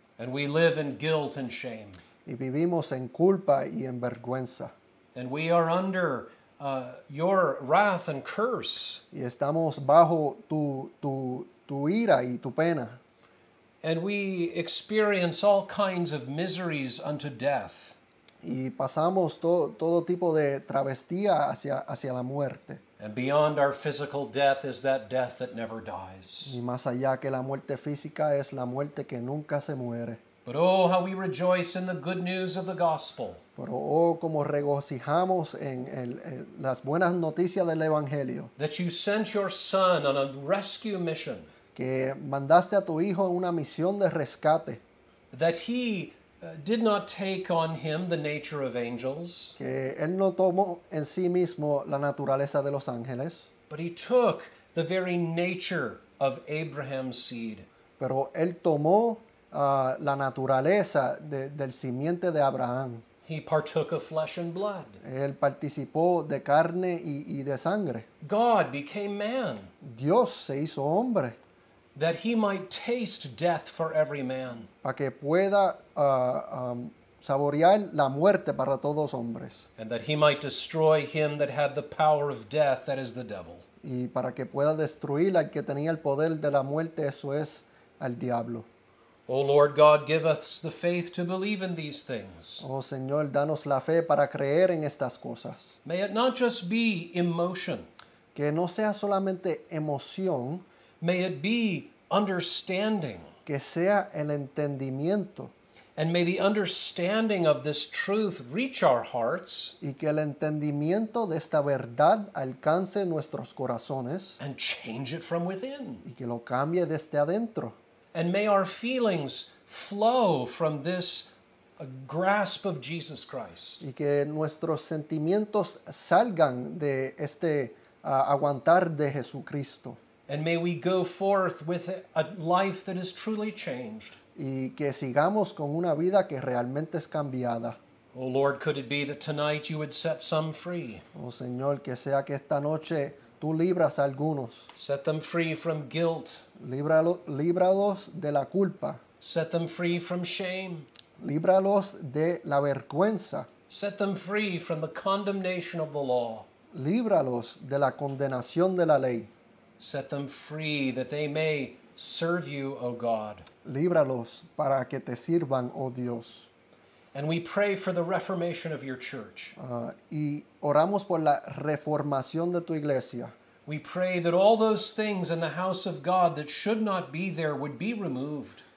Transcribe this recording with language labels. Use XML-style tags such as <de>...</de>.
<en>And we live in guilt and shame.</en> <es>Y vivimos en culpa y en vergüenza.</es> <en>And we are under your wrath and curse.</en> <es>Y estamos bajo tu ira y tu pena.</es> <en>And we experience all kinds of miseries unto death.</en> <es>Y pasamos todo tipo de travestía hacia la muerte.</es> <en>And beyond our physical death is that death that never dies.</en> <es>Y más allá que la muerte física es la muerte que nunca se muere.</es> <en>But oh, how we rejoice in the good news of the gospel.</en> <es>Pero oh, como regocijamos en las buenas noticias del evangelio.</es> <en>That you sent your son on a rescue mission.</en> <es>Que mandaste a tu hijo en una misión de rescate.</es> <en>That he did not take on him the nature of angels,</en> <es>que él no tomó en sí mismo la naturaleza de los ángeles,</es> <en>but he took the very nature of Abraham's seed.</en> <es>Pero él tomó la naturaleza del simiente de Abraham.</es> <en>He partook of flesh and blood.</en> <es>Él participó de carne y de sangre.</es> <en>God became man.</en> <es>Dios se hizo hombre.</es> <en>That he might taste death for every man.</en> <es>Para que pueda saborear la muerte para todos hombres.</es> <en>And that he might destroy him that had the power of death, that is the devil.</en> <es>Y para que pueda destruir al que tenía el poder de la muerte, eso es al diablo.</es> <en>O Lord God, give us the faith to believe in these things.</en> <es>Oh Señor, danos la fe para creer en estas cosas.</es> <en>May it not just be emotion.</en> <es>Que no sea solamente emoción.</es> <en>May it be understanding.</en> <es>Que sea el entendimiento.</es> <en>And may the understanding of this truth reach our hearts.</en> <es>Y que el entendimiento de esta verdad alcance nuestros corazones.</es> <en>And change it from within.</en> <es>Y que lo cambie desde adentro.</es> <en>And may our feelings flow from this grasp of Jesus Christ.</en> <es>Y que nuestros sentimientos salgan de este aguantar de Jesucristo.</es> <en>And may we go forth with a life that is truly changed.</en> <es>Y que sigamos con una vida que realmente es cambiada.</es> <en>Oh Lord, could it be that tonight you would set some free?</en> <es>Oh Señor, que sea que esta noche tú libras a algunos.</es> <en>Set them free from guilt.</en> <es>Líbralos de la culpa.</es> <en>Set them free from shame.</en> <es>Líbralos de la vergüenza.</es> <en>Set them free from the condemnation of the law.</en> <es>Líbralos de la condenación de la ley.</es> <en>Set them free that they may serve you, O God.</en> <es>Líbralos para que te sirvan, oh Dios.</es> <en>And we pray for the reformation of your church.</en> <es>Y oramos por la reformación de tu iglesia.</es> <en>We pray that all those things in the house of God that should not be there would be removed.</en>